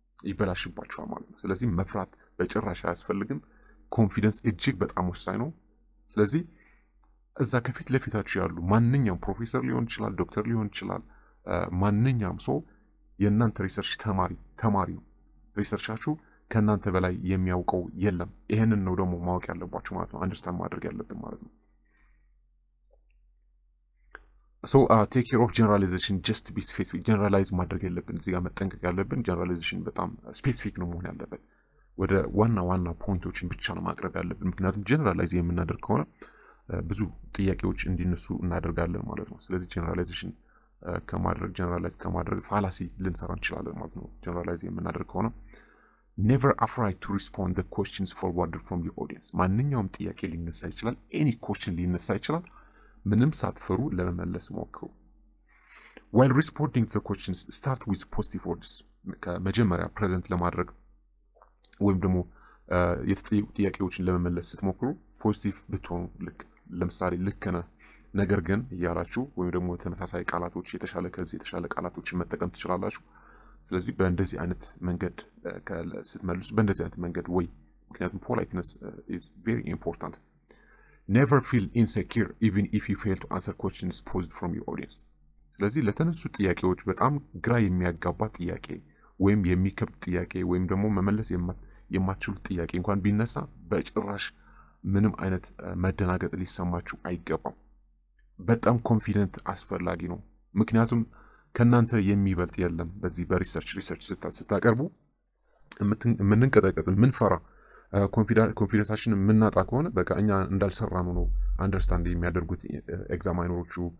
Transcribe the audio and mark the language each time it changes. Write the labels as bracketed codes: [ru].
[am] ይበላሽባችሁ ማለት ነው ስለዚህ መፍራት በጭራሽ አያስፈልግም ኮንፊደንስ እጅግ በጣም ወሳኝ ነው ስለዚህ እዛ ከፊት ለፊታችሁ ያሉ ማንኛውም ፕሮፌሰር ሊሆን ይችላል ዶክተር ሊሆን ይችላል ማንኛውም ሰው የእናንተ ሪሰርች ተማሪ ነው ሪሰርቻችሁ ከእናንተ በላይ የሚያውቀው የለም ይሄንን ነው ደግሞ ማወቅ ያለባችሁ ማለት ነው አንደርስታንድ ማድረግ ያለብን ማለት ነው [en] So take care of generalization, just to be specific. [am] Generalize ማድረግ የለብን እዚህ ጋር መጠንቀቅ ያለብን generalization በጣም specific ነው መሆን ያለበት። ወደ ዋና ዋና ፖይንቶችን ብቻ ነው ማቅረብ ያለብን ምክንያቱም generalize የምናደርግ ከሆነ ብዙ ጥያቄዎች እንዲነሱ እናደርጋለን ማለት ነው። ስለዚህ generalization ከማድረግ generalize ከማድረግ fallacy ልንሰራ እንችላለን ማለት ነው። generalize የምናደርግ ከሆነ [en] never afraid to respond the questions forwarded from your audience. [am] ማንኛውም ጥያቄ ሊነሳ ይችላል [en] any question [am] ሊነሳ ይችላል ምንም ሳትፈሩ ለመመለስ ሞክሩ። [en] While responding to questions, start with positive words. [am] ከመጀመሪያ present ለማድረግ ወይም ደግሞ የጥያቄዎችን ለመመለስ ስትሞክሩ positive ብትሆኑ ልክ ለምሳሌ ልክ ነህ ነገር ግን ያላችሁ ወይም ደግሞ ተመሳሳይ ቃላቶች የተሻለ ከዚህ የተሻለ ቃላቶችን መጠቀም ትችላላችሁ። ስለዚህ በእንደዚህ አይነት መንገድ ስትመልሱ በእንደዚህ አይነት መንገድ ወይ ምክንያቱም [en] politeness is very important. Never feel insecure even if you fail to answer questions posed from your audience. [am] ስለዚህ ለተነሱ ጥያቄዎች በጣም ግራ የሚያጋባ ጥያቄ ወይም የሚከብድ ጥያቄ ወይም ደግሞ መመለስ የማትችሉ ጥያቄ እንኳን ቢነሳ በጭራሽ ምንም አይነት መደናገጥ ሊሰማችሁ አይገባም። በጣም ኮንፊደንት አስፈላጊ ነው ምክንያቱም ከናንተ የሚበልጥ የለም በዚህ በሪሰርች ስታቀርቡ ምንንቀጠቀጥ ምንፈራ ኮንፊደንሳችን ምናጣ ከሆነ በቃ እኛ እንዳልሰራ ነው ነው አንደርስታንድ የሚያደርጉት ኤግዛማይነሮቹ